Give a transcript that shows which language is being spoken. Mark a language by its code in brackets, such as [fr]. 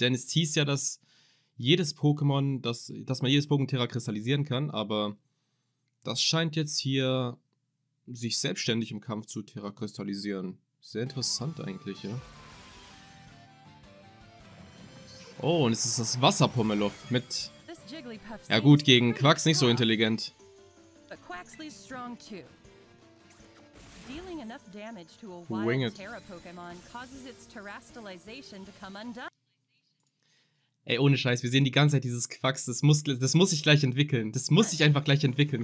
[de] Denn es hieß ja, dass jedes Pokémon, dass man jedes Pokémon terrakristallisieren kann, aber das scheint jetzt hier sich selbstständig im Kampf zu terrakristallisieren. Sehr interessant eigentlich, ja. Oh, und es ist das Wasser-Pummeluff mit... Ja gut, gegen Quacks nicht so intelligent. [en] But Quaxley's strong too. Dealing enough damage to a wild Terra Pokémon causes its terrastalization to come undone. [de] Ey, ohne Scheiß, wir sehen die ganze Zeit dieses Quax. Das muss sich gleich entwickeln. Das muss sich einfach gleich entwickeln.